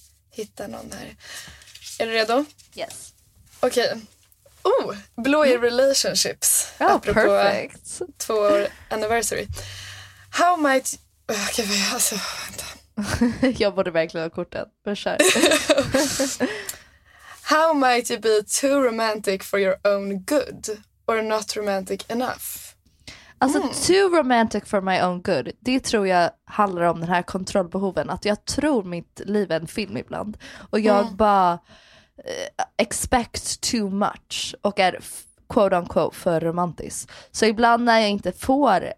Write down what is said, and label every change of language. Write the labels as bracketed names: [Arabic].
[Swedish] hitta någon här. Är du redo? [English] Yes. [Swedish] Okej. Okay. Oh, blå är relationships. Oh, apropå perfect. Två år anniversary. [English] How might... [Swedish] Okej, okay, alltså, vänta. Jag borde verkligen ha kortet. Försök. [English] How might you be too romantic for your own good? Or not romantic enough? Alltså, too romantic for my own good. [Swedish] Det tror jag handlar om den här kontrollbehoven. Att jag tror mitt liv är en film ibland. Och jag bara [English] expect too much. [Swedish] Och är quote unquote för romantisk. Så ibland när jag inte får...